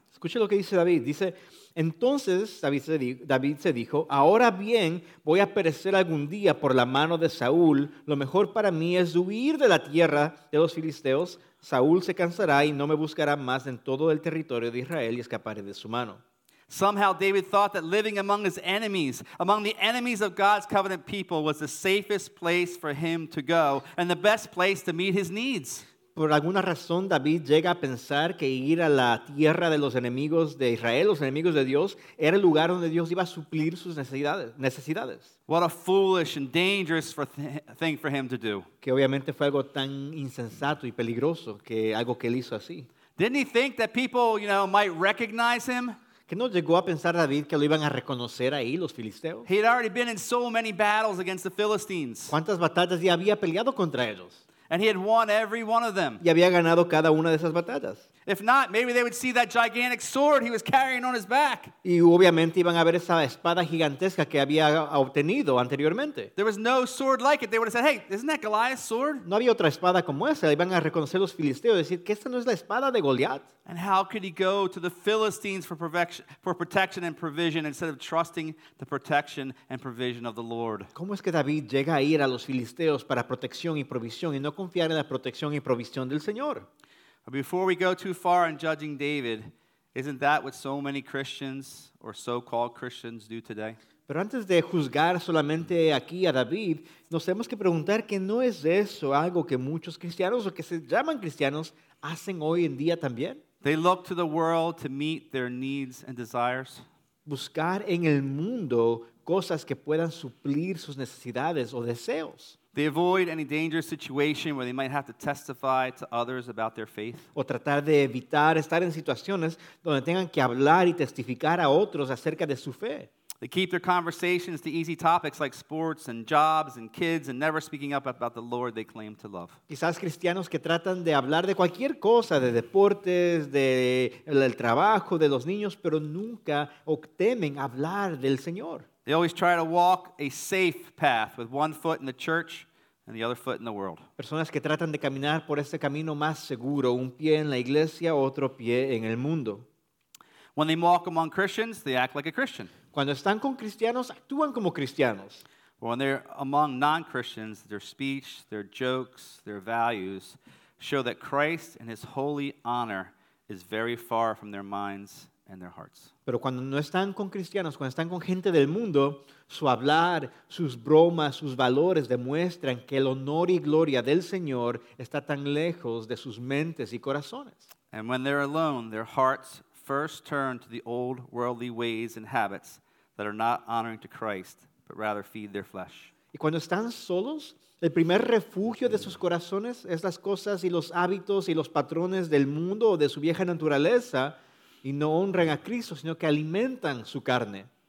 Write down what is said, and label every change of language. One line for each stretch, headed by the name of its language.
Spanish: Escuche lo que dice David. Dice, entonces David se dijo, ahora bien, voy a perecer algún día por la mano de Saúl. Lo mejor para mí es huir de la tierra de los filisteos. Saúl se cansará y no me buscará más en todo el territorio de Israel y escaparé de su mano.
English: Somehow David thought that living among his enemies, among the enemies of God's covenant people, was the safest place for him to go and the best place to meet his needs.
Spanish: Por alguna razón, David llega a pensar que ir a la tierra de los enemigos de Israel, los enemigos de Dios, era el lugar donde Dios iba a suplir sus necesidades.
English: What a foolish and dangerous thing for him to do.
Spanish: Que obviamente fue algo tan insensato y peligroso que algo que él hizo así.
English: Didn't he think that people, you know, might recognize him?
Spanish: ¿Que no llegó a pensar David que lo iban a reconocer ahí los filisteos?
English: He had already been in so many battles against the Philistines.
Spanish: ¿Cuántas batallas ya había peleado contra ellos?
English: And he had won every one of them.
Spanish: Y había ganado cada una de esas batallas.
English: If not, maybe they would see that gigantic sword he was carrying on his back.
Spanish: Y obviamente iban a ver esa espada gigantesca que había obtenido anteriormente.
English: There was no sword like it. They would have said, hey, isn't that Goliath's sword?
Spanish: No había otra espada como esa. Iban a reconocer los filisteos y decir, que esta no es la espada de Goliath.
English: And how could he go to the Philistines for protection and provision instead of trusting the protection and provision of the Lord?
Spanish: ¿Cómo es que David llega a ir a los filisteos para protección y provisión y no confiar en la protección y provisión del Señor?
English: Before we go too far in judging David, Isn't that what so many Christians or so-called Christians do today?
Spanish: Pero antes de juzgar solamente aquí a David, nos tenemos que preguntar que no es eso algo que muchos cristianos o que se llaman cristianos hacen hoy en día también.
English: They look to the world to meet their needs and desires.
Spanish: Buscar en el mundo cosas que puedan suplir sus necesidades o deseos.
English: They avoid any dangerous situation where they might have to testify to others about their faith.
Spanish: O tratar de evitar estar en situaciones donde tengan que hablar y testificar a otros acerca de su fe.
English: They keep their conversations to easy topics like sports and jobs and kids and never speaking up about the Lord they claim to love.
Spanish: Quizás cristianos que tratan de hablar de cualquier cosa, de deportes, del trabajo, de los niños, pero nunca temen hablar del Señor.
English: They always try to walk a safe path with one foot in the church and the other foot in the world.
Spanish: Personas que tratan de caminar por este camino más seguro, un pie en la iglesia, otro pie en el mundo.
English: When they walk among Christians, they act like a Christian.
Spanish: Cuando están con cristianos, actúan como cristianos.
English: But when they're among non-Christians, their speech, their jokes, their values show that Christ and his holy honor is very far from their minds and their hearts.
Spanish: Pero cuando no están con cristianos, cuando están con gente del mundo, su hablar, sus bromas, sus valores demuestran que el honor y gloria del Señor está tan lejos de sus mentes y corazones.
English: And when they're alone, their hearts first turn to the old worldly ways and habits that are not honoring to Christ, but rather feed their flesh.
Spanish: Y cuando están solos, el primer refugio de sus corazones es las cosas y los hábitos y los patrones del mundo o de su vieja naturaleza, y no honran a Cristo, sino que alimentan su carne.